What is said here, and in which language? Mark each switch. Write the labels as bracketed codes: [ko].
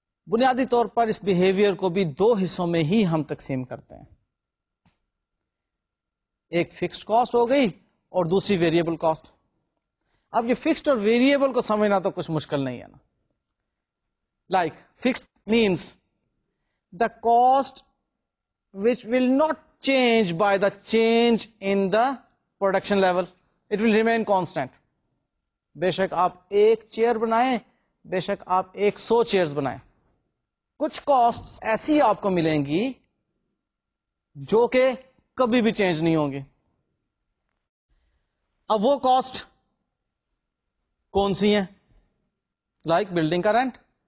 [ur] بنیادی طور پر اس بیہیویئر کو بھی دو حصوں میں ہی ہم تقسیم کرتے ہیں. ایک فکسڈ کاسٹ ہو گئی اور دوسری ویریبل کاسٹ. اب یہ فکسڈ اور ویریبل کو سمجھنا تو کچھ مشکل نہیں ہے نا. [en] Like fixed means the cost which will not change by the change in the production level, it will remain constant. [ur] بے شک آپ ایک چیئر بنائیں, بے شک آپ 100 چیئرز بنائیں, کچھ کاسٹ ایسی آپ کو ملیں گی جو کہ کبھی بھی چینج نہیں ہوں گی. اب وہ کاسٹ کون سی ہیں؟ لائک بلڈنگ کا رینٹ.